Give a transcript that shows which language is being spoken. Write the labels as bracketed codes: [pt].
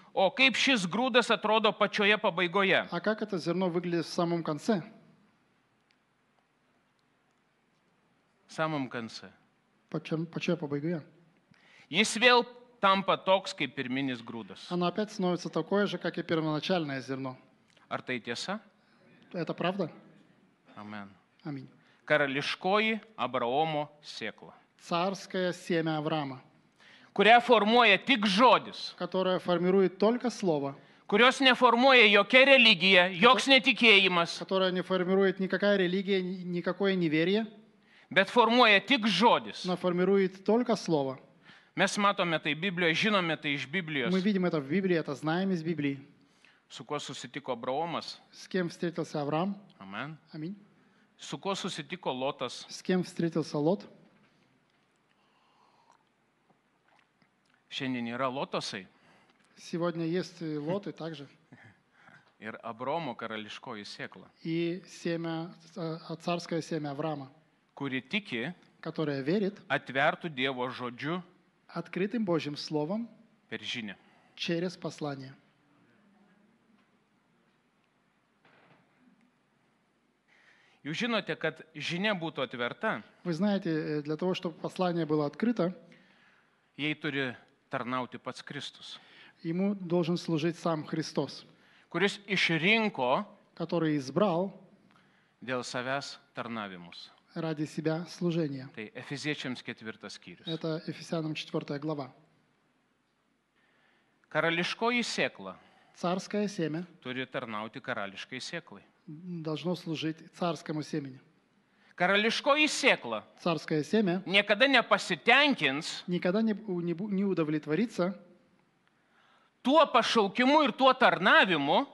[lt] O kaip šis grūdas atrodo pačioje pabaigoje? [ru] А как это зерно выглядит в самом конце? Самом конце. [lt] Pačioje pabaigoje. Jis vėl tampa toks, kaip pirminis grūdas. [ru] Оно опять становится такое же, как и первоначальное зерно. [lt] Ar tai tiesa? [ru] Это правда? [lt] Amen. [ru] Аминь. [lt] Karališkoji Abraomo sėkla. [ru] Царское семя Авраама. [lt] Kurią formuoja tik žodis. [ru] Которое формирует только слово. [lt] Kurios neformuoja jokia religija, joks netikėjimas. [ru] Которое не формирует никакая религия, никакое неверие. [lt] Bet formuoja tik žodis. [ru] Но формирует только слово. [lt] Mes matome tai Biblijoje, žinome tai iš Biblijos. [ru] Мы видим это в Библии, это знаем из Библии. [lt] Su kuo susitiko Abraomas? [ru] С кем встретился Авраам? [lt] Amen. [ru] Аминь. [lt] Su kuo susitiko Lotas? [ru] С кем встретился Лот? [lt] Šiandien yra Lotosai. [ru] Сегодня есть Лоты также. [lt] Ir Abraomo karališkoji sėkla. [ru] И семя, царское семя Авраама. [lt] Kuri tiki, [ru] которая верит, [lt] atvertų Dievo žodžiu, [ru] открытым Божьим словом, [lt] per žinę. [ru] Через послание. [lt] Jūs žinote, kad žinia būtų atverta. [ru] Вы знаете, для того, чтобы послание было открыто, [lt] ей turi tarnauti pats Kristus. [ru] Ему должен служить сам Христос. [lt] Kuris išrinko, [ru] который избрал [lt] dėl savęs tarnavimus. [ru] Ради себя служение. [lt] Tai Efeziečiams 4 skyrius. [ru] Это Ефесянам 4 глава. [lt] Karališkoji sėkla. [ru] Царское семя. [lt] Turi tarnauti karališkai sėklai. [ru] Должно служить царскому семени. [lt] Karališkoji sėkla. [ru] Царское семя. [lt] Niekada nepasitenkins. [ru] Никогда не удовлетворится. [lt] Tuo pašaukimu ir tuo tarnavimu.